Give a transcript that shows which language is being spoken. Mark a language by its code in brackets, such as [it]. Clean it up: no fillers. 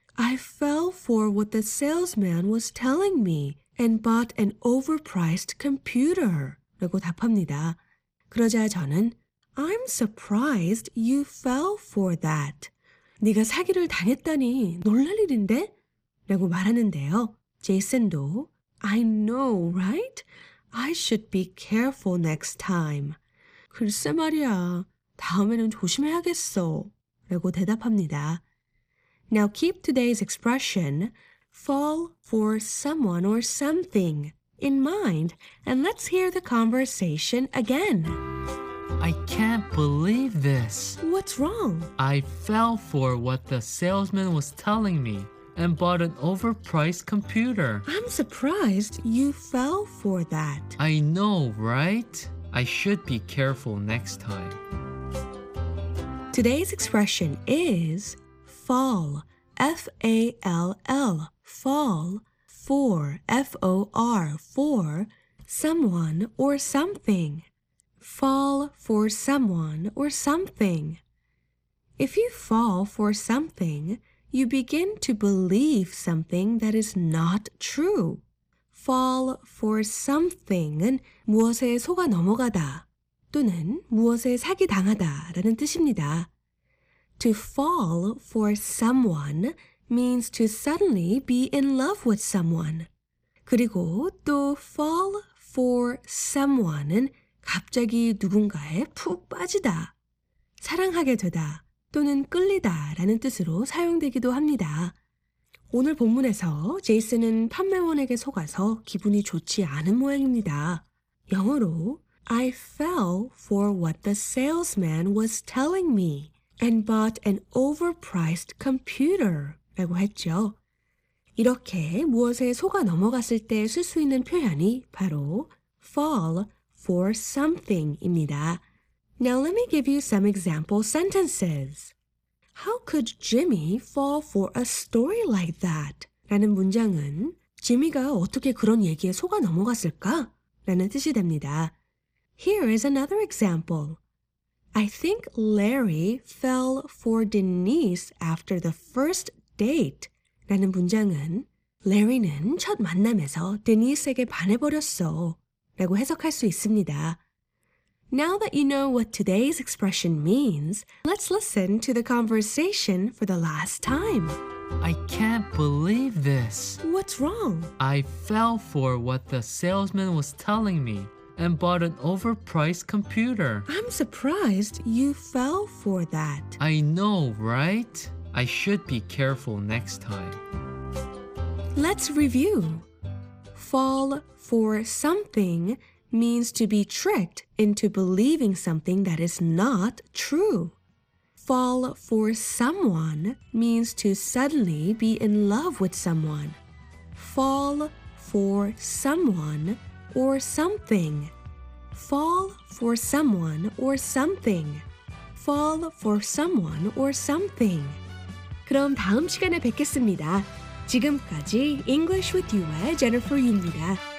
[en] I fell for what the salesman was telling me and bought an overpriced computer. [ko] 라고 답합니다. 그러자 저는 [en] I'm surprised you fell for that. [ko] 네가 사기를 당했다니 놀랄 일인데? 라고 말하는데요. 제이슨도 [en] I know, right? I should be careful next time. [ko] 글쎄 말이야, 다음에는 조심해야겠어. 라고 대답합니다. [en] Now keep today's expression, fall for someone or something, in mind, and let's hear the conversation again. I can't believe this. What's wrong? I fell for what the salesman was telling me and bought an overpriced computer. I'm surprised you fell for that. I know, right? I should be careful next time. Today's expression is fall, F-A-L-L, fall, for, F-O-R, for someone or something. Fall for someone or something. If you fall for something, you begin to believe something that is not true. Fall for something은 [ko] 무엇에 속아 넘어가다 또는 무엇에 사기당하다 라는 뜻입니다. [en] To fall for someone means to suddenly be in love with someone. [ko] 그리고 또 fall for someone은 갑자기 누군가에 푹 빠지다, 사랑하게 되다 또는 끌리다 라는 뜻으로 사용되기도 합니다. 오늘 본문에서 제이슨은 판매원에게 속아서 기분이 좋지 않은 모양입니다. 영어로 [en] I fell for what the salesman was telling me and bought an overpriced computer [ko] 라고 했죠. 이렇게 무엇에 속아 넘어갔을 때 쓸 수 있는 표현이 바로 fall for something입니다. [en] Now let me give you some example sentences. How could Jimmy fall for a story like that? [ko] 라는 문장은 지미가 어떻게 그런 얘기에 속아 넘어갔을까? 라는 뜻이 됩니다. [en] Here is another example. I think Larry fell for Denise after the first date. [ko] 라는 문장은 Larry는 첫 만남에서 Denise에게 반해버렸어 라고 해석할 수 있습니다. [en] Now that you know what today's expression means, let's listen to the conversation for the last time. I can't believe this. What's wrong? I fell for what the salesman was telling me and bought an overpriced computer. I'm surprised you fell for that. I know, right? I should be careful next time. Let's review. Fall for something means to be tricked into believing something that is not true. Fall for someone means to suddenly be in love with someone. Fall for someone or something. Fall for someone or something. Fall for someone or something. [ko] 그럼 다음 시간에 뵙겠습니다. 지금까지 English with You의 Jennifer Yu입니다.